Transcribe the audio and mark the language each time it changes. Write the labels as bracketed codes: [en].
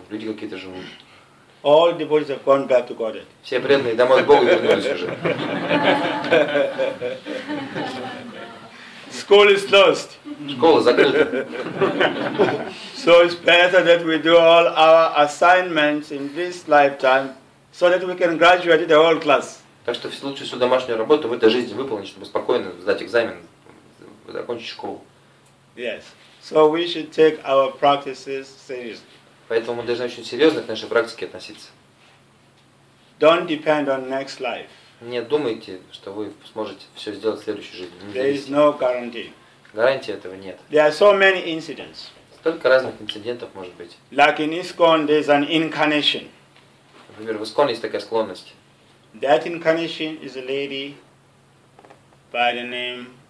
[ru] Люди какие-то живут. [en] All the devotees have gone back to Godhead. [ru] Все преданные домой к Богу вернулись уже. [en] School is closed. [ru] Школа закрыта. [en] So it's better that we do all our assignments in this lifetime, so that we can graduate the whole class. [ru] Так что лучше всю домашнюю работу в этой жизни выполнить, чтобы спокойно сдать экзамен, закончить школу. [en] Yes. So we should take our practices seriously. [ru] Поэтому мы должны очень серьезно к нашей практике относиться. [en] Don't depend on next life. [ru] Не думайте, что вы сможете все сделать в следующей жизни. [en] There is no guarantee. [ru] Гарантии этого нет. [en] There are so many incidents. [ru] Столько разных инцидентов может быть. [en] Like in ISKCON, there is an incarnation. [ru] Например, в ISKCON есть такая склонность. [en] That incarnation is a lady by the name